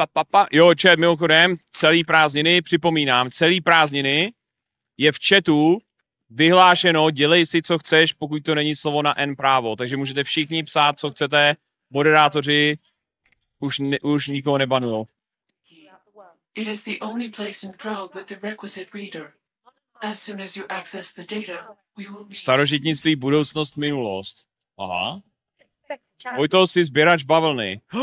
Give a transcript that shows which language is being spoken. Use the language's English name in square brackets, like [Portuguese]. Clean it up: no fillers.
[Czech] Pa. Jo, chat, mimochodem, celý prázdniny, připomínám, celý prázdniny je v chatu vyhlášeno, dělej si, co chceš, pokud to není slovo na N právo. Takže můžete všichni psát, co chcete, moderátoři už, ne, už nikoho nebanujou. [English] It is the only place in Prague with the requisite reader. As soon as you access the data, we will meet. [Czech] Starožitnictví, budoucnost, minulost. Aha. Vojto, jsi sběrač bavlny.